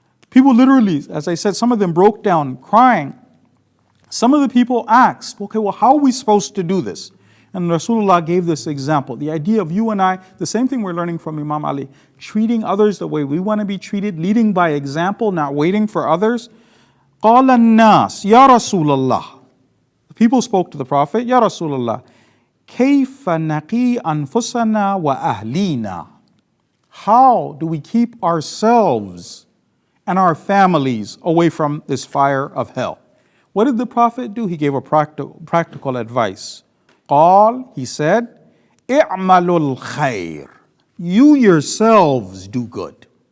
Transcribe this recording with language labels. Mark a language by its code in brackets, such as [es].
[en] People literally, as I said, some of them broke down crying. Some of the people asked, okay, well, how are we supposed to do this? And Rasulullah gave this example. The idea of you and I, the same thing we're learning from Imam Ali, treating others the way we want to be treated, leading by example, not waiting for others. [ar] قَالَ النَّاسِ يَا رَسُولَ اللَّهِ. [en] The people spoke to the Prophet, [ar] يَا رَسُولَ اللَّهِ. كَيْفَ نَقِي أَنفُسَنَا وَأَهْلِينَا. [en] How do we keep ourselves and our families away from this fire of hell? What did the Prophet do? He gave a practical advice. قال, he said, [ar] اعملوا الخير. [en] You yourselves do good.